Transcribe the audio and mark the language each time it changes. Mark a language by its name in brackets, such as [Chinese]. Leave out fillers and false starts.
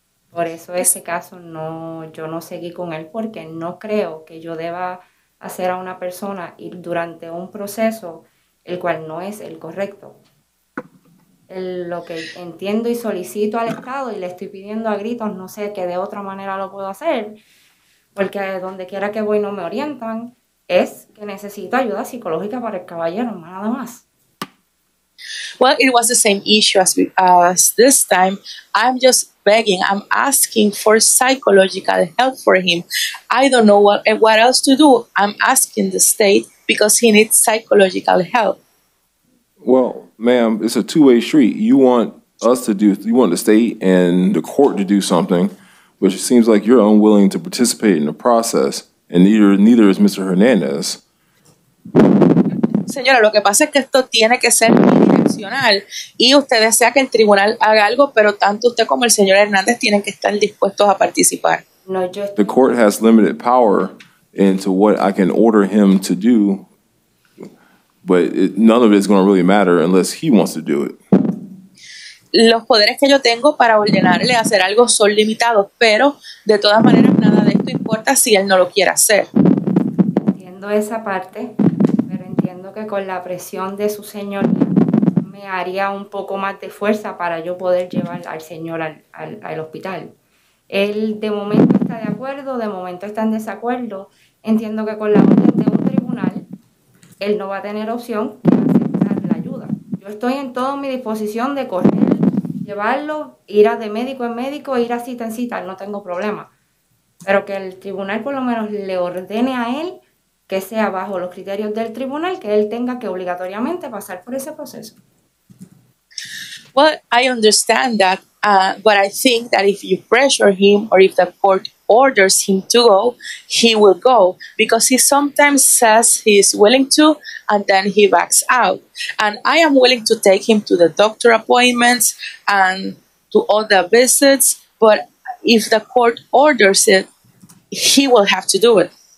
[Spanish] Por eso ese caso yo no seguí con él, porque no creo que yo deba hacer a una persona ir durante un proceso el cual no es el correcto. Lo que entiendo y solicito al Estado y le estoy pidiendo a gritos, no sé qué de otra manera lo puedo hacer, porque donde quiera que voy no me orientan, es que necesito ayuda psicológica para el caballero, nada más. [English] Well, it was the same issue as this time. I'm just begging, I'm asking for psychological help for him. I don't know what else to do. I'm asking the state because he needs psychological help. Well, ma'am, it's a two-way street. You want us to do, you want the state and the court to do something, which it seems like you're unwilling to participate in the process, and neither is Mr. Hernandez. [Spanish] Señora, lo que pasa es que esto tiene que ser bidireccional y usted desea que el tribunal haga algo, pero tanto usted como el señor Hernández tienen que estar dispuestos a participar. No, yo estoy... [English] The court has limited power into what I can order him to do, but none of it is going to really matter unless he wants to do it. [Spanish] Los poderes que yo tengo para ordenarle hacer algo son limitados, pero de todas maneras nada de esto importa si él no lo quiere hacer. Entiendo esa parte, que con la presión de su señoría me haría un poco más de fuerza para yo poder llevar al señor al hospital. Él de momento está de acuerdo, de momento está en desacuerdo. Entiendo que con la orden de un tribunal él no va a tener opción de aceptar la ayuda. Yo estoy en toda mi disposición de correr, llevarlo, ir a de médico en médico, ir a cita en cita, no tengo problema. Pero que el tribunal por lo menos le ordene a él que sea bajo los criterios del tribunal, que él tenga que obligatoriamente pasar por ese proceso. [English] Well, I understand that, but I think that if you pressure him or if the court orders him to go, he will go, because he sometimes says he is willing to and then he backs out. And I am willing to take him to the doctor appointments and to other visits, but if the court orders it, he will have to do it.